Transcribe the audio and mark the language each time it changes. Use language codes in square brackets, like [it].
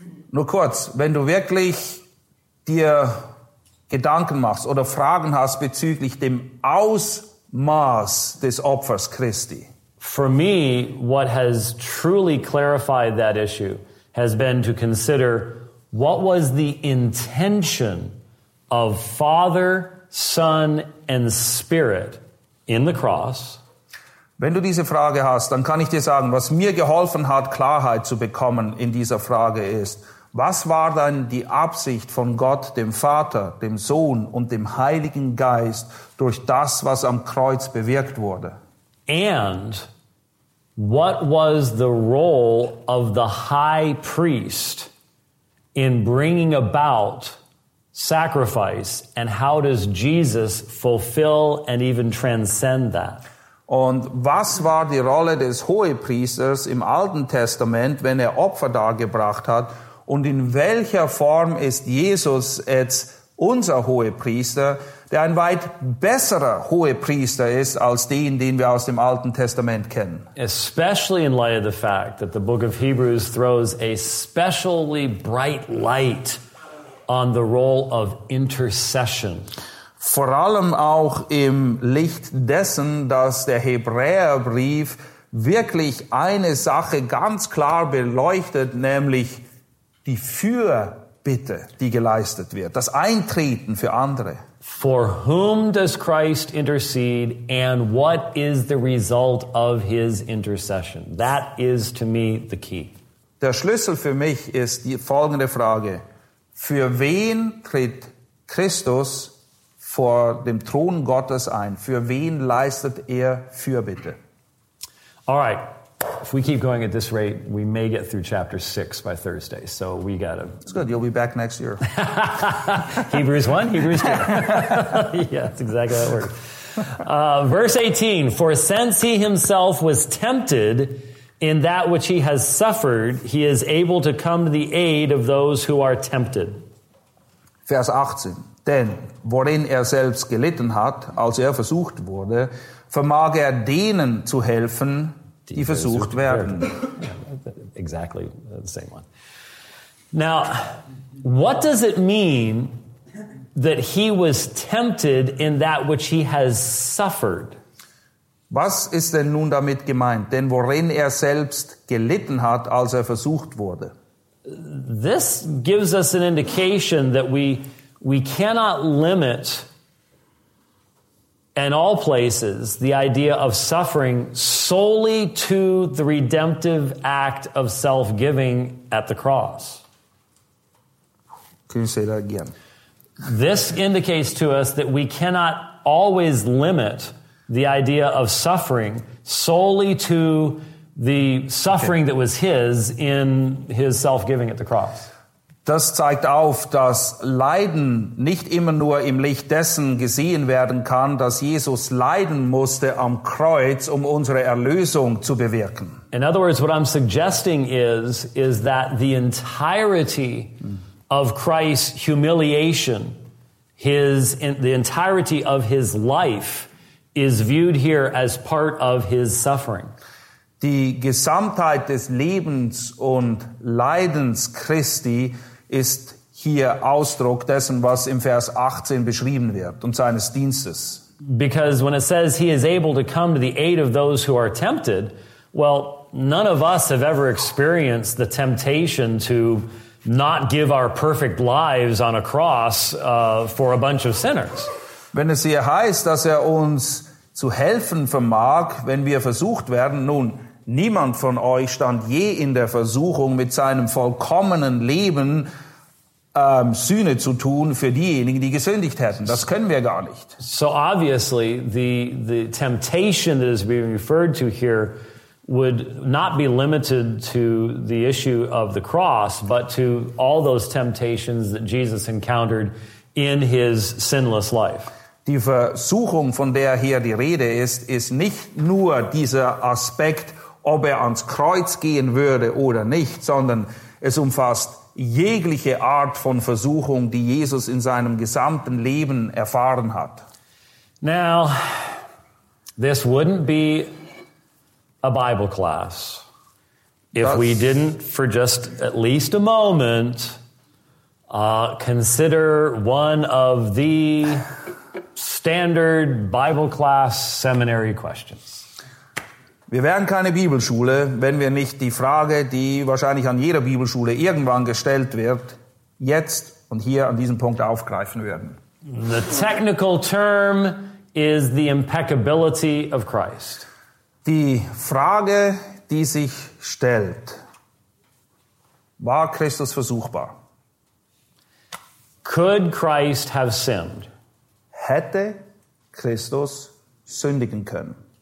[de] Nur kurz, wenn du wirklich dir Gedanken machst oder Fragen hast bezüglich dem Ausmaß des Opfers Christi. [en] For me, what has truly clarified that issue has been to consider what was the intention of Father, Son and Spirit in the cross. [de] Wenn du diese Frage hast, dann kann ich dir sagen, was mir geholfen hat, Klarheit zu bekommen in dieser Frage ist, was war dann die Absicht von Gott, dem Vater, dem Sohn und dem Heiligen Geist durch das, was am Kreuz bewirkt wurde? [en] And what was the role of the high priest in bringing about sacrifice, and how does Jesus fulfill and even transcend that? [de] Und was war die Rolle des Hohepriesters im Alten Testament, wenn er Opfer dargebracht hat? Und in welcher Form ist Jesus jetzt unser Hohepriester, der ein weit besserer Hohepriester ist als den, den wir aus dem Alten Testament kennen? [en] Especially in light of the fact that the book of Hebrews throws a specially bright light on the role of intercession. [de] Vor allem auch im Licht dessen, dass der Hebräerbrief wirklich eine Sache ganz klar beleuchtet, nämlich die Fürbitte, die geleistet wird, das Eintreten für andere. [en] For whom does Christ intercede and what is the result of his intercession? That is to me the key. [de] Der Schlüssel für mich ist die folgende Frage. Für wen tritt Christus vor dem Thron Gottes ein? Für wen leistet er Fürbitte? [en] All right. If we keep going at this rate, we may get through chapter 6 by Thursday. So we got to... It's good. You'll be back next year. Hebrews 1, Hebrews 2. Yeah, that's exactly how it works. Verse 18. For since he himself was tempted in that which he has suffered, he is able to come to the aid of those who are tempted. [de] Vers 18. Denn worin er selbst gelitten hat, als er versucht wurde, vermag er denen zu helfen, die versucht werden. [en] Exactly the same one. Now, what does it mean that he was tempted in that which he has suffered? [de] Was ist denn nun damit gemeint? Denn worin er selbst gelitten hat, als er versucht wurde. [en] This gives us an indication that we cannot limit in all places the idea of suffering solely to the redemptive act of self-giving at the cross. Can you say that again? This indicates to us that we cannot always limit the idea of suffering solely to the suffering that was his in his self-giving at the cross. [de] Das zeigt auf, dass Leiden nicht immer nur im Licht dessen gesehen werden kann, dass Jesus leiden musste am Kreuz, um unsere Erlösung zu bewirken. [en] In other words, what I'm suggesting is that the entirety of Christ's humiliation, the entirety of his life, is viewed here as part of his suffering. [de] Die Gesamtheit des Lebens und Leidens Christi ist hier Ausdruck dessen, was im Vers 18 beschrieben wird und seines Dienstes. [en] Because when it says he is able to come to the aid of those who are tempted, well, none of us have ever experienced the temptation to not give our perfect lives on a cross for a bunch of sinners. [de] Wenn es hier heißt, dass er uns zu helfen vermag, wenn wir versucht werden, nun, niemand von euch stand je in der Versuchung, mit seinem vollkommenen Leben Sühne zu tun für diejenigen, die gesündigt hätten. Das können wir gar nicht. [en] So obviously, the temptation that is being referred to here would not be limited to the issue of the cross, but to all those temptations that Jesus encountered in his sinless life. [de] Die Versuchung, von der hier die Rede ist, ist nicht nur dieser Aspekt, ob er ans Kreuz gehen würde oder nicht, sondern es umfasst jegliche Art von Versuchung, die Jesus in seinem gesamten Leben erfahren hat. [en] Now, this wouldn't be a Bible class if we didn't for just at least a moment consider one of the standard Bible class seminary questions. [de] Wir wären keine Bibelschule, wenn wir nicht die Frage, die wahrscheinlich an jeder Bibelschule irgendwann gestellt wird, jetzt und hier an diesem Punkt aufgreifen werden. [en] The technical term is the impeccability of Christ. [de] Die Frage, die sich stellt, war Christus versuchbar? [en] Could Christ have sinned? [de] Hätte Christus sündigen können?